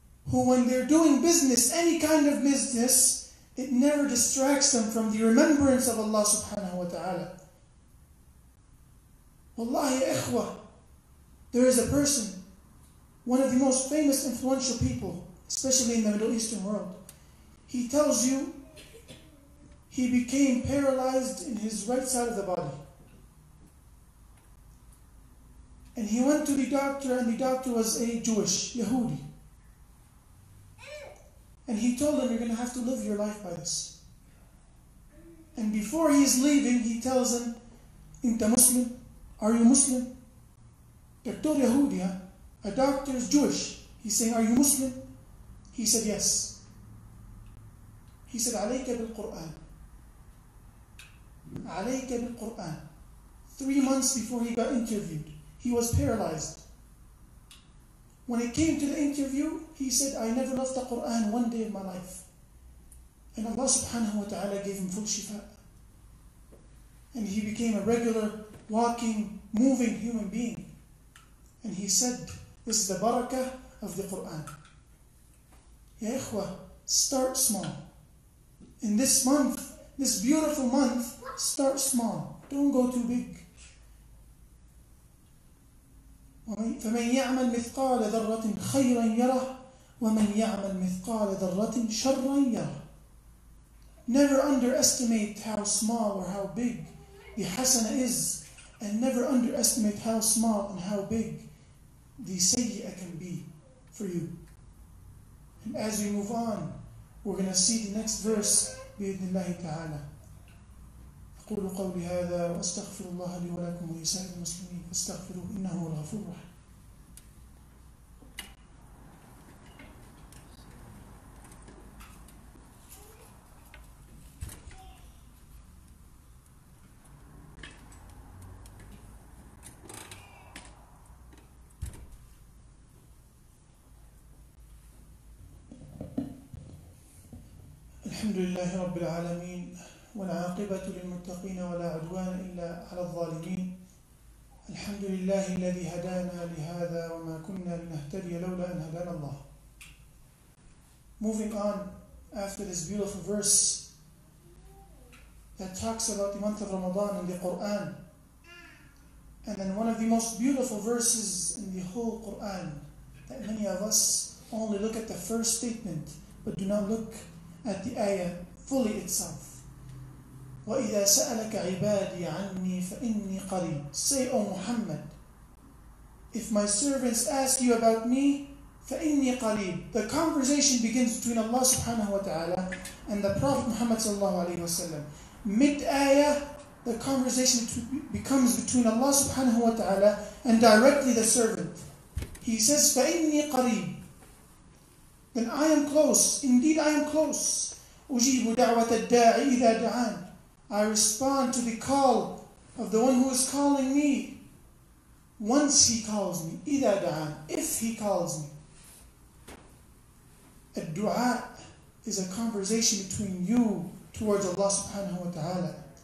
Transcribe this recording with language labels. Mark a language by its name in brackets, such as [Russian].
[English] Who, when they're doing business, any kind of business, it never distracts them from the remembrance of Allah subhanahu wa ta'ala. Wallahi ikhwa, there is a person, one of the most famous influential people, especially in the Middle Eastern world. He tells you he became paralyzed in his right side of the body. And he went to the doctor, and the doctor was a Jewish, Yahudi. And he told him, you're going to have to live your life by this. And before he's leaving, he tells him, [Arabic] Inta Muslim? [English] Are you Muslim? Doctor Yahudi, huh? A doctor is Jewish. He's saying, are you Muslim? He said, yes. [Arabic] He said, عَلَيْكَ بِالْقُرْآنِ عَلَيْكَ بِالْقُرْآنِ. [English] 3 months before he got interviewed, he was paralyzed. When it came to the interview, he said, I never left the Qur'an one day in my life. And Allah subhanahu wa ta'ala gave him full shifa. And he became a regular, walking, moving human being. And he said, this is the barakah of the Qur'an. Ya ikhwa, start small. In this month, this beautiful month, start small. Don't go too big. [Arabic] فَمَنْ يَعْمَلْ مِثْقَالَ ذَرَّةٍ خَيْرًا يَرَهُ وَمَنْ يَعْمَلْ مِثْقَالَ ذَرَّةٍ شَرًّا يَرَهُ. [English] Never underestimate how small or how big the hasana is, and never underestimate how small and how big the sayyi'ah can be for you. And as we move on, we're going to see the next verse [Arabic] بإذن الله تعالى. أقول قولي هذا وأستغفر الله لي ولكم ولسائر المسلمين فاستغفروه إنه هو الغفور الرحيم. الحمد لله رب العالمين والعاقبة للمتقين ولا عدوان إلا على الظالمين. الحمد لله الذي هدانا لهذا وما كنا لنهتدي لولا أن هدانا الله. [English] Moving on after this beautiful verse that talks about the month of Ramadan in the Quran, and then one of the most beautiful verses in the whole Quran that many of us only look at the first statement but do not look at the ayah fully itself. [Arabic] وإذا سألك عبادي عني فإني قريب. [English] Say, O Muhammad, if my servants ask you about me, [Arabic] فإني قريب. [English] The conversation begins between Allah subhanahu wa ta'ala and the Prophet Muhammad sallallahu alayhi wa sallam. Mid-ayah, the conversation becomes between Allah subhanahu wa ta'ala and directly the servant. He says, [Arabic] فإني قريب. [English] Then I am close. Indeed, I am close. [Arabic] أجيب دعوة الداعي إذا دعان. [English] I respond to the call of the one who is calling me. Once he calls me, [Arabic] إذا دعان, [English] if he calls me. الدُّعَاء is a conversation between you towards Allah subhanahu wa ta'ala.